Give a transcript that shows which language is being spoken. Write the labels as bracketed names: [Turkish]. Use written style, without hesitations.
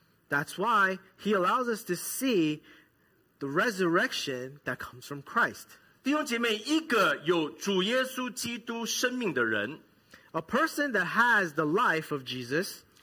[English] that's why he allows us to see the resurrection that comes from Christ. [Chinese] 弟兄姐妹, 一个有主耶稣基督生命的人, [English] a person that has the life of Jesus,